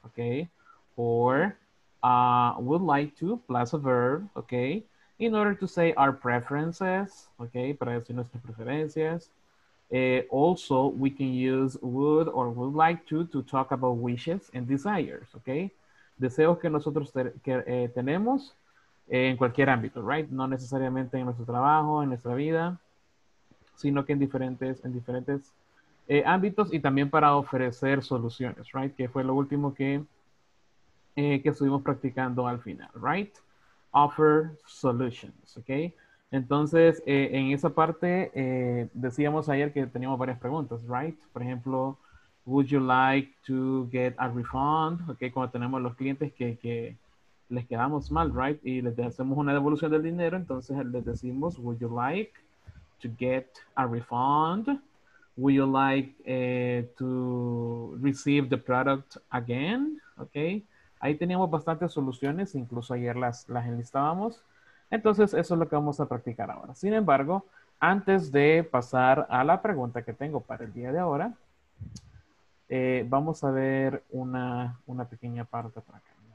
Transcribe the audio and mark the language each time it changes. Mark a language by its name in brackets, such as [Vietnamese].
[English] Okay, or would like to plus a verb. Okay, in order to say our preferences. Okay, [Spanish] para decir nuestras preferencias. [English] Also, we can use would or would like to talk about wishes and desires, okay? [Spanish] Deseos que nosotros tenemos en cualquier ámbito, right? No necesariamente en nuestro trabajo, en nuestra vida, sino que en diferentes ámbitos y también para ofrecer soluciones, right? Que fue lo último que estuvimos practicando al final, right? [English] Offer solutions, [Spanish] okay? Entonces, en esa parte decíamos ayer que teníamos varias preguntas, right? Por ejemplo, [English] Would you like to get a refund? Okay, [Spanish] cuando tenemos los clientes que les quedamos mal, [English] right? [Spanish] Y les hacemos una devolución del dinero, entonces les decimos, [English] would you like to get a refund? Would you like to receive the product again? [Spanish] Okay, ahí teníamos bastantes soluciones, incluso ayer las enlistábamos. Entonces, eso es lo que vamos a practicar ahora. Sin embargo, antes de pasar a la pregunta que tengo para el día de ahora, vamos a ver una pequeña parte para acá.